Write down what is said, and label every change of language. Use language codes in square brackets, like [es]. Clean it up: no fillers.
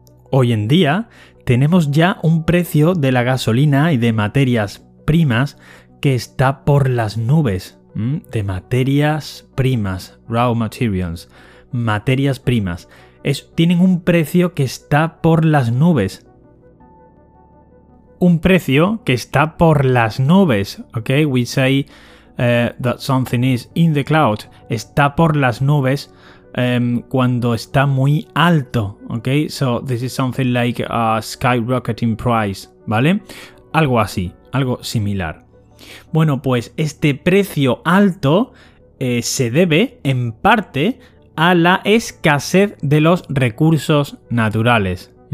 [es] Hoy en día, tenemos ya un precio de la gasolina y de materias primas que está por las nubes. De materias primas, [en] raw materials, [es] materias primas. Tienen un precio que está por las nubes. Un precio que está por las nubes, ¿ok? [en] We say that something is in the cloud. [es] Está por las nubes cuando está muy alto, ¿ok? [en] So this is something like a skyrocketing price, ¿vale? [es] Algo así, algo similar. Bueno, pues este precio alto se debe en parte a la escasez de los recursos naturales.